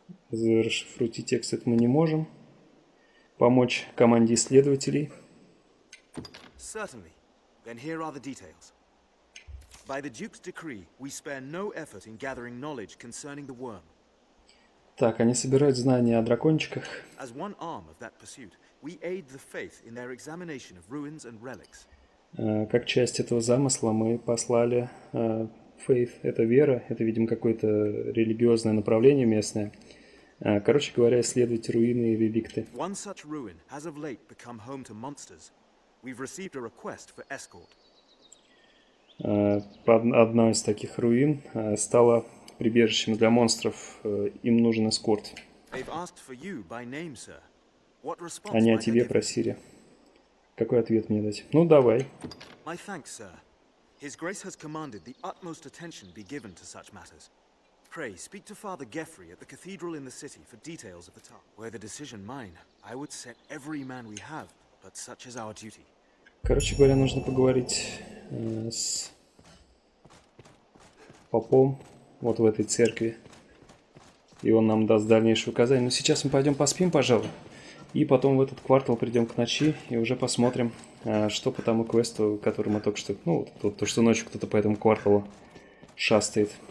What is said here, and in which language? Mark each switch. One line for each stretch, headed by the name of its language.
Russian: Зарешифруйте текст, это мы не можем. Помочь команде исследователей.
English: Certainly. Then here are the details. By the Duke's decree, we spare no effort in gathering knowledge concerning the worm.
Russian: Так, они собирают знания о дракончиках.
English: As one arm of that pursuit, we aid the faith in their examination of ruins and relics.
Russian: Как часть этого замысла мы послали Faith – это вера, это, видимо, какое-то религиозное направление местное. Короче говоря, исследовать руины и реликты.
English: One such ruin has of late become home to monsters. We've received a request for escort.
Russian: Одна из таких руин стала прибежищем для монстров. Им нужен эскорт.
English: They've asked for you by name, sir. What response?
Russian: Они о тебе просили. Какой ответ мне дать? Ну, давай.
English: My thanks, sir. His Grace has commanded the utmost attention be given to such matters. Pray, speak to Father Geoffrey at the cathedral in the city for details of the task. Were the decision mine, I would set every man we have, but such is our duty.
Russian: Короче говоря, нужно поговорить с попом вот в этой церкви. И он нам даст дальнейшие указания. Но сейчас мы пойдем поспим, пожалуй. И потом в этот квартал придем к ночи и уже посмотрим. Что по тому квесту, который мы только что... Ну, вот тут, то, что ночью кто-то по этому кварталу шастает.